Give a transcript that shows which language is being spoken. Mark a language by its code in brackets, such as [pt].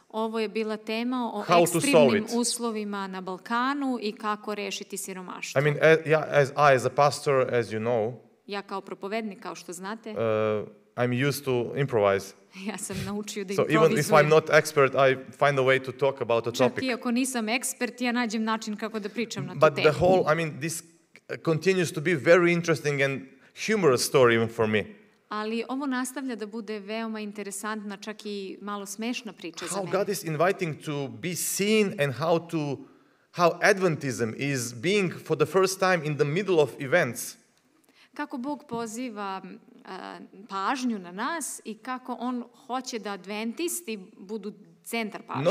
[sr] Ovo je bila tema o How ekstremnim uslovima na Balkanu i kako rešiti siromaštvo. [en] I mean, as a pastor, as you know, [sr] ja kao propovednik, kao što znate, [en] I'm used to improvise. [sr] Ja sam naučio da [en] so [sr] improvizujem. [en] Even if I'm not expert, I find a way to talk about a topic. [sr] Čak i ako nisam ekspert, ja nađem način kako da pričam na tu temu. [en] But the whole, I mean, this continues to be very interesting and humorous story even for me. [sr] Ali ovo nastavlja da bude veoma interesantna, čak i malo smešna priča [en] how [sr] za mene. [en] How God is inviting to be seen and how Adventism is being for the first time in the middle of events. [sr] Kako Bog poziva pažnju na nas i kako on hoće da adventisti budu centar pažnje.